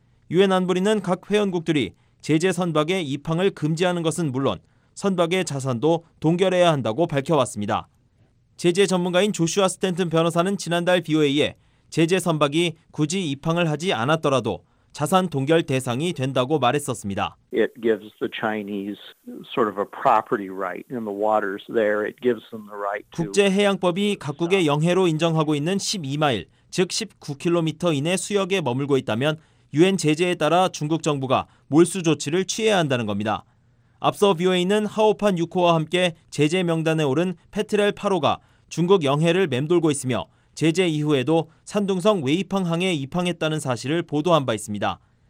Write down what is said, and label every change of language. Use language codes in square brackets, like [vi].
[ko] 유엔 안보리는 각 회원국들이 제재 선박의 입항을 금지하는 것은 물론 선박의 자산도 동결해야 한다고 밝혀왔습니다. 제재 전문가인 조슈아 스탠튼 변호사는 지난달 BOA에 제재 선박이 굳이 입항을 하지 않았더라도 자산 동결 대상이 된다고 말했었습니다. [en] It gives the Chinese sort of a property right in the waters there. It gives them the right to [ko] 국제 해양법이 각국의 영해로 인정하고 있는 12마일, 즉 19km 이내 수역에 머물고 있다면 유엔 제재에 따라 중국 정부가 몰수 조치를 취해야 한다는 겁니다. 앞서 BOA는 하오판 6호와 함께 제재 명단에 오른 페트렐 8호가 중국 영해를 맴돌고 있으며 제재 이후에도 산둥성 웨이팡항에 입항했다는 사실을 보도한 바 있습니다.